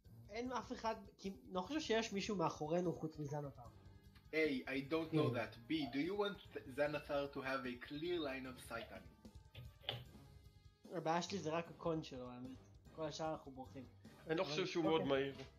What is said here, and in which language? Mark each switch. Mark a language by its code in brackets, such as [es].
[he] אין אף אחד, כי אני חושב שיש מישהו מאחורינו חוץ מזנתר. [en] A, I don't know that. B, do you want Xanathar to have a clear line of sight on you? [he] הבעיה שלי זה רק הקון שלו, האמת. כל השאר אנחנו בורחים. אני לא חושב שהוא מאוד מהיר.